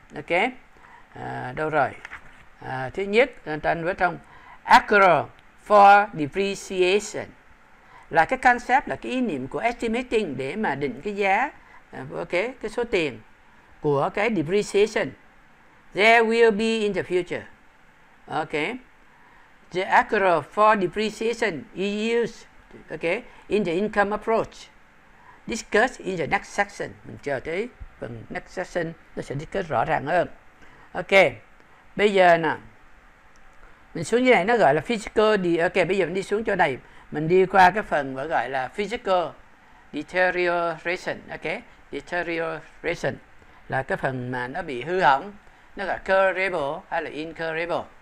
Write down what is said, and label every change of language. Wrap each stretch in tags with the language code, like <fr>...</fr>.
<vi>Ok, đâu rồi, thứ nhất tên với trong accrual for depreciation là cái concept, là cái ý niệm của estimating để mà định cái giá, ok, cái số tiền của cái depreciation</vi> <en>there will be in the future. Ok, the accrual for depreciation is used, ok, in the income approach discuss in the next section.</en> <vi>Mình chờ tới phần next section nó sẽ discuss rõ ràng hơn. Ok, bây giờ nè, mình xuống dưới này nó gọi là physical ok, bây giờ mình đi xuống chỗ này, mình đi qua cái phần gọi là physical deterioration. Ok, deterioration là cái phần mà nó bị hư hỏng, nó gọi curable hay là incurable.</vi>